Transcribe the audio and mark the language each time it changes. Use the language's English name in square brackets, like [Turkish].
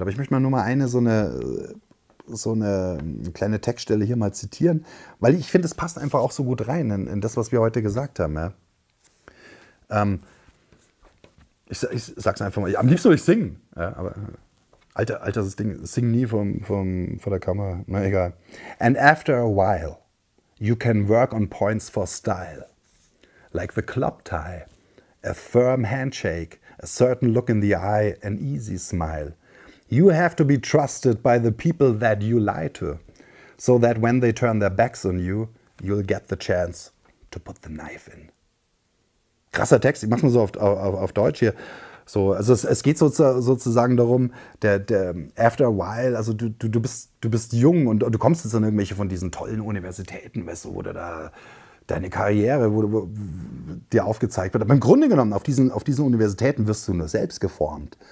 [German] Aber ich möchte mal nur mal eine so eine kleine Textstelle hier mal zitieren, weil ich finde, es passt einfach auch so gut rein in das, was wir heute gesagt haben. Ja. Ich sag's einfach mal, am liebsten würde ich singen. Ja, aber alter, das Ding, sing nie vor der Kamera. Na egal. [English] And after a while, you can work on points for style. Like the club tie, a firm handshake, a certain look in the eye, an easy smile. You have to be trusted by the people that you lie to, so that when they turn their backs on you, you'll get the chance to put the knife in. [German] Krasser Text, ich mach's mal so auf Deutsch hier. So, also es geht sozusagen darum, der [English] after a while, [German] also du bist jung und du kommst jetzt an irgendwelche von diesen tollen Universitäten, weißt du, oder da deine Karriere wurde dir aufgezeigt wird. Aber im Grunde genommen, auf diesen Universitäten wirst du nur selbst geformt.